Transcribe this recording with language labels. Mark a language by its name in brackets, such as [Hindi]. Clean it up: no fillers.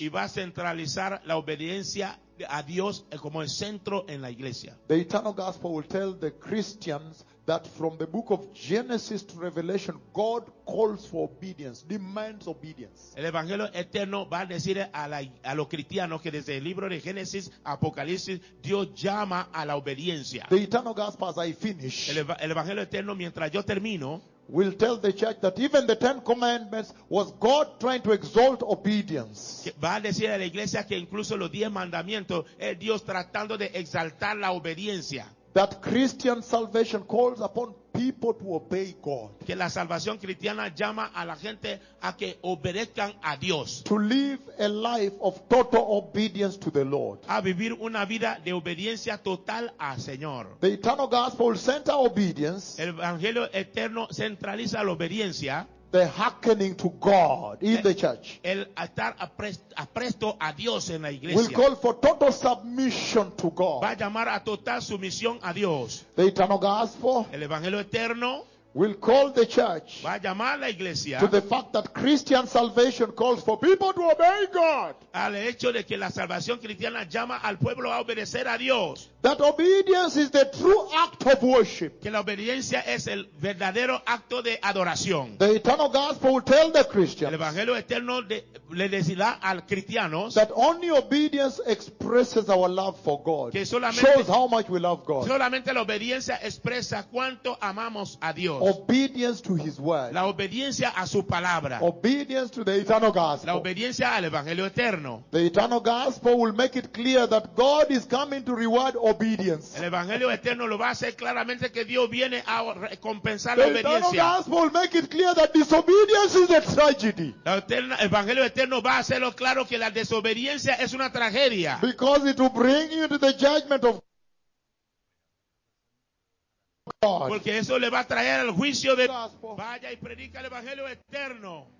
[Spanish] Y va a centralizar la obediencia a Dios como el centro en la iglesia. [English] The eternal gospel will tell the Christians that from the book of Genesis to Revelation, God calls for obedience, demands obedience. [Spanish] El evangelio eterno va a decir a los cristianos que desde el libro de Génesis, Apocalipsis, Dios llama a la obediencia. [English] The eternal gospel, as I finish, [Spanish] el evangelio eterno, mientras yo termino, [English] will tell the church that even the Ten Commandments was God trying to exalt obedience. [Spanish] Va a decir a la iglesia que incluso los diez mandamientos es Dios tratando de exaltar la obediencia. [English] That Christian salvation calls upon people to obey God. [Spanish] Que la salvación cristiana llama a la gente a que obedezcan a Dios. [English] To live a life of total obedience to the Lord. [Spanish] A vivir una vida de obediencia total al Señor. [English] The eternal gospel center obedience. [Spanish] El evangelio eterno centraliza la obediencia. [English] The hearkening to God in the church. [Spanish] El estar apresto a Dios en la iglesia. [English] Will call for total submission to God. [Spanish] Va a llamar a total sumisión a Dios. [English] The eternal gospel. [Spanish] El evangelio eterno. [English] Will call the church. [Spanish] Va a llamar a la iglesia. [English] To the fact that Christian salvation calls for people to obey God. [Spanish] Al hecho de que la salvación cristiana llama al pueblo a obedecer a Dios. [English] That obedience is the true act of worship. [Spanish] Que la obediencia es el verdadero acto de adoración. [English] The eternal gospel will tell the Christians. [Spanish] El evangelio eterno le decirá al cristiano. [English] That only obedience expresses our love for God. [Spanish] Que solamente [English] shows how much we love God. [Spanish] Solamente la obediencia expresa cuánto amamos a Dios. [English] Obedience to his word. [Spanish] La obediencia a su palabra. [English] Obedience to the eternal gospel. [Spanish] La obediencia al evangelio eterno. [English] The eternal gospel will make it clear that God is coming to reward obedience. [Spanish] El evangelio eterno lo va a hacer claramente que Dios viene a recompensar la obediencia. [English] The eternal gospel will make it clear that disobedience is a tragedy. [Spanish] El evangelio eterno va a hacerlo claro que la desobediencia es una tragedia. [English] Because it will bring you to the judgment of God. God. [Spanish] Porque eso le va a traer el juicio de vaya y predica el evangelio eterno.